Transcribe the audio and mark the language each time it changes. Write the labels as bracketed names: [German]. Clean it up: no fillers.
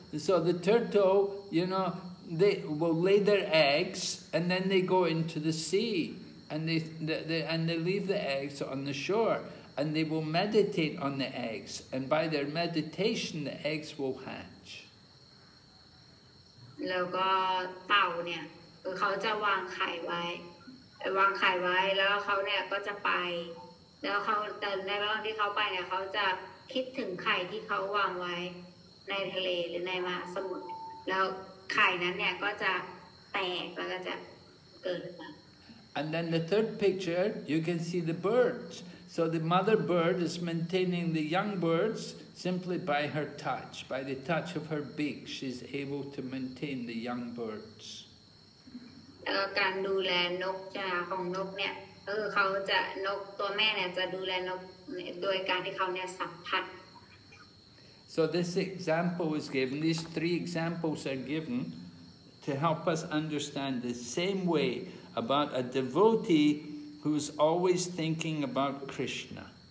[English] So the turtle, you know, they will lay their eggs and then they go into the sea and they leave the eggs on the shore and they will meditate on the eggs, and by their meditation the eggs will hatch. [Thai] แล้วก็เต่าเนี่ยเขาจะวางไข่ไว้วางไข่ไว้แล้วเขาเนี่ยก็จะไปแล้วเขาแต่ในระหว่างที่เขาไปเนี่ยเขาจะคิดถึงไข่ที่เขาวางไว้ในทะเลหรือในมหาสมุทรแล้วไข่นั้นเนี่ยก็จะแตกแล้วก็จะเกิดมา [English] And then the third picture you can see the birds. So the mother bird is maintaining the young birds simply by her touch, by the touch of her beak. She's able to maintain the young birds. [Thai] การดูแลนกจ่าของนกเนี่ยเขาจะนกตัวแม่เนี่ยจะดูแลนกโดยการที่เขาเนี่ยสัมผัส [English] So this example is given, these three examples are given to help us understand the same way about a devotee who is always thinking about Krishna.